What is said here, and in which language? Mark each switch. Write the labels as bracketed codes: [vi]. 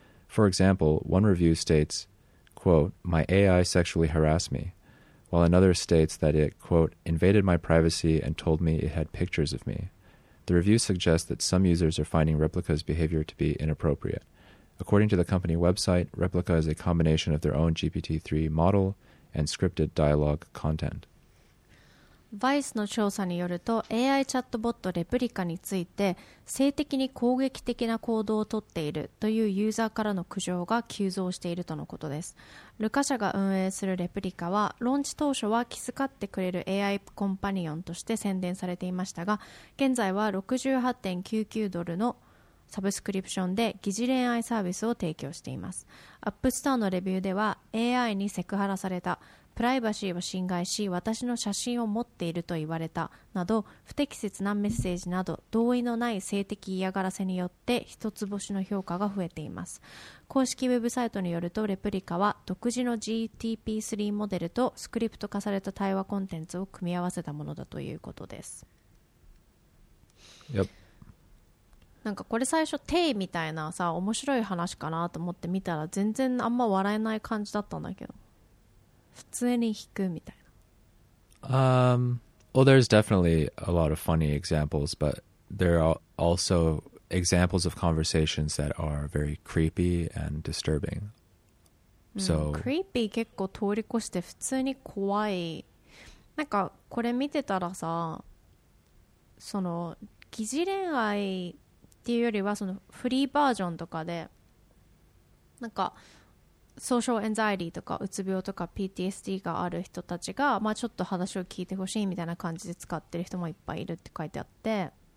[en] For example, one review states, quote, "My AI sexually harassed me," while another states that it, quote, "invaded my privacy and told me it had pictures of me." The review suggests that some users are finding Replica's behavior to be inappropriate. According to the company website, Replica is a combination of their own GPT-3 model and scripted dialogue content. [ja] VICE の調査によると、AI チャットボットレプリカについて、性的に攻撃的な行動をとっているというユーザーからの苦情が急増しているとのことです。ルカ社が運営するレプリカは、ローンチ当初は気遣ってくれる AI コンパニオンとして宣伝されていましたが、現在は$68.99のサブスクリプションで疑似恋愛サービスを提供しています。アップストアのレビューでは AI にセクハラされた、プライバシーを侵害し私の写真を持っていると言われたなど、不適切なメッセージなど同意のない性的嫌がらせによって一つ星の評価が増えています。公式ウェブサイトによると、レプリカは独自の GPT-3 モデルとスクリプト化された対話コンテンツを組み合わせたものだということです。 [en] Yep。 [ja] なんかこれ最初テイみたいなさ、面白い話かなと思って見たら全然あんま笑えない感じだったんだけど、普通に引くみたいな。 [en] Well, there's definitely a lot of funny examples, but there are also examples of conversations that are very creepy and disturbing. So [ja] creepy 結構通り越して普通に怖い。なんかこれ見てたらさ、その疑似恋愛っていうよりはそのフリーバージョンとかで、なんかソーシャルエンザイティとかうつ病とか PTSD がある人たちが、まあ、ちょっと話を聞いてほしいみたいな感じで使ってる人もいっぱいいるって書いてあって、